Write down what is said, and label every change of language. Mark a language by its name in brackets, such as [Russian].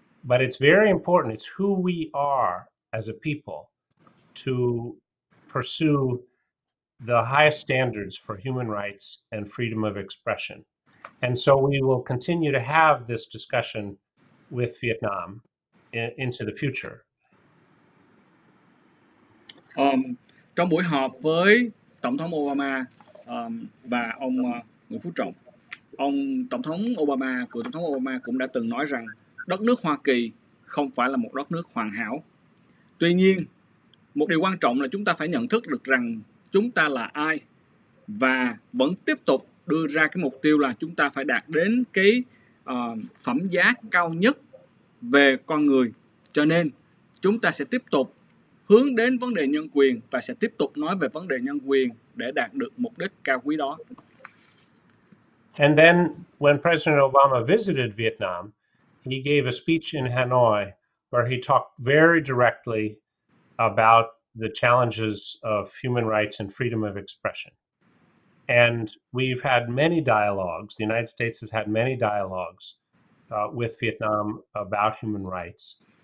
[English] But it's very important. It's who we are as a people to pursue the highest standards for human rights and freedom of expression. And so we will continue to have this discussion with Vietnam into the future. [Vietnamese] Trong buổi họp với Tổng thống Obama và ông Nguyễn Phú Trọng, Tổng thống Obama cũng đã từng nói rằng đất nước Hoa Kỳ không phải là một đất nước hoàn hảo. Tuy nhiên, một điều quan trọng là chúng ta phải nhận thức được rằng chúng ta là ai và vẫn tiếp tục đưa ra cái mục tiêu là chúng ta phải đạt đến cái phẩm giá cao nhất về con người. Cho nên, chúng ta sẽ tiếp tục hướng đến vấn đề nhân quyền và sẽ tiếp tục nói về vấn đề nhân quyền để đạt được mục đích cao quý đó. [English] And then when President Obama visited Vietnam, he gave a speech in Hanoi where he talked very directly about the challenges of human rights and freedom of expression. And we've had many dialogues, the United States has had many dialogues with Vietnam about human rights.